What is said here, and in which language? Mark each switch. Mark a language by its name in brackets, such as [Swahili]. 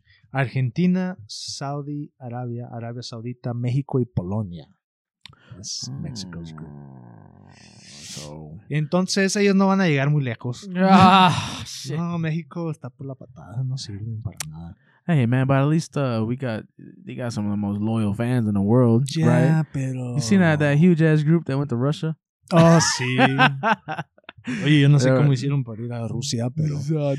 [Spanish] Argentina, Saudi Arabia, Arabia Saudita, México y Polonia. [English] That's Mexico's group. [Spanish] So, entonces ellos no van a llegar muy lejos. [English] Shit. [Spanish] No, México está por la patada, no sirven para nada. [English] Hey man, but at least they got some of the most loyal fans in the world, yeah, right? [Spanish] Yeah, pero [English] you seen that huge ass group that went to Russia? [Spanish] Oh, sí. Oye, yo no sé cómo hicieron para ir a Rusia, pero